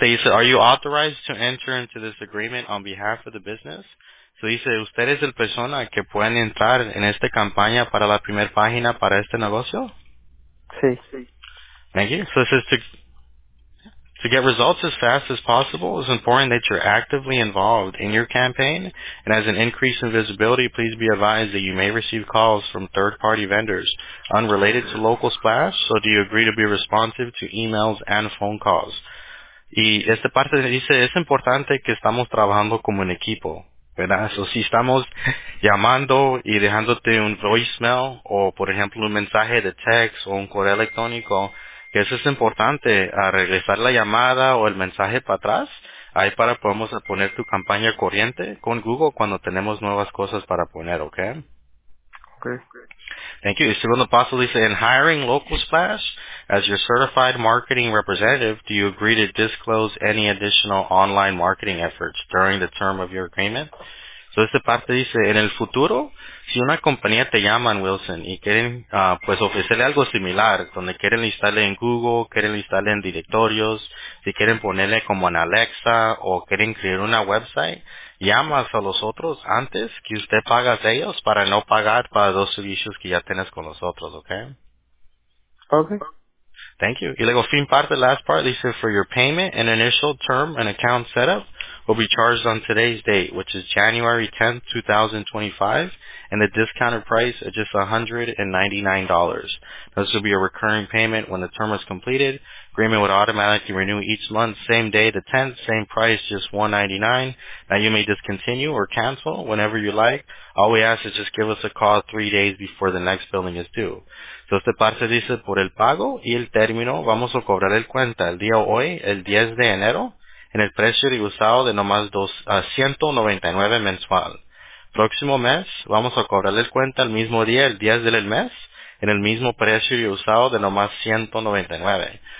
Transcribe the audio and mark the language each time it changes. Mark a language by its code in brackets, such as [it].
[en] Dice, are you authorized to enter into this agreement on behalf of the business? [es] So dice, ¿usted es el persona que pueden entrar en esta campaña para la primera página para este negocio? Sí. [en] Thank you. So this is to get results as fast as possible, it's important that you're actively involved in your campaign. And as an increase in visibility, please be advised that you may receive calls from third-party vendors unrelated to Local Splash. So do you agree to be responsive to emails and phone calls? [es] Y esta parte dice, es importante que estamos trabajando como un equipo, ¿verdad? So si estamos llamando y dejándote un voicemail o, por ejemplo, un mensaje de text o un correo electrónico, que eso es importante, a regresar la llamada o el mensaje para atrás, ahí para podemos poner tu campaña corriente con Google cuando tenemos nuevas cosas para poner, ¿ok? [en] Ok. Thank you. [es] El segundo paso dice, [en] in hiring Local Splash as your certified marketing representative, do you agree to disclose any additional online marketing efforts during the term of your agreement? [es] So esta parte dice, en el futuro, si una compañía te llama, Wilson, y quieren pues ofrecerle algo similar, donde quieren instalarle en Google, quieren instalarle en directorios, si quieren ponerle como en Alexa o quieren crear una website, llamas a los otros antes que usted paga a ellos para no pagar para dos servicios que ya tienes con los otros, ¿ok? [en] Ok. Thank you. [es] Y luego, fin parte, [en] last part, dice, for your payment and initial term and account setup, will be charged on today's date, which is January 10th, 2025, and the discounted price is just $199. This will be a recurring payment when the term is completed. Agreement would automatically renew each month, same day, the 10th, same price, just $199. Now, you may discontinue or cancel whenever you like. All we ask is just give us a call 3 days before the next billing is due. [es] So, este par se dice por el pago y el término, vamos a cobrar el cuenta el día hoy, el 10 de enero, en el precio rehusado de nomás $199 mensual. Próximo mes, vamos a cobrar el cuenta el mismo día, el 10 del mes, en el mismo precio rehusado de nomás $199.